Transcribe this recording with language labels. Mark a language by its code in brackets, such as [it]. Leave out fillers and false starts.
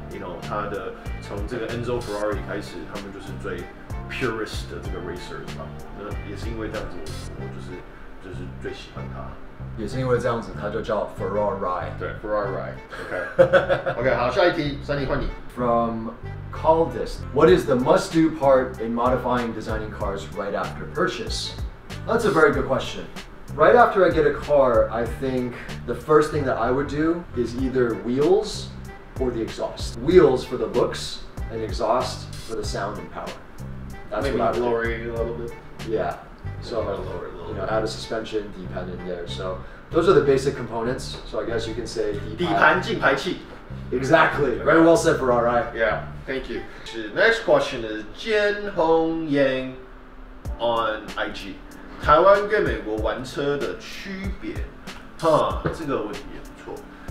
[en] you know [zh] 他的从这个 Enzo Ferrari 开始，他们就是最。 purist 的这个 racer 吧，那也是因为这样子我就是最喜欢他，也是因为这样子，他就叫 Ferrari。对 ，Ferrari。 OK， OK， 好，下一题，三弟换你。 [en] From Caldis， What is the must-do part in modifying designing cars right after purchase？ That's a very good question. Right after I get a car, I think the first thing that I would do is either wheels or the exhaust. Wheels for the looks, and exhaust for the sound and power. That's maybe what I lower it a little bit. Yeah. So I'm gonna lower it a little. You know, add a suspension, D-pan in there. So those are the basic components. So I guess you can say [zh] D-pan, 进排气. [en] Exactly. Okay. Very well said, Ferrari. Yeah. Thank you. The next question is Jian Hong Yang on IG. [zh] 台湾跟美国玩车的区别？哈，这个问题也不错。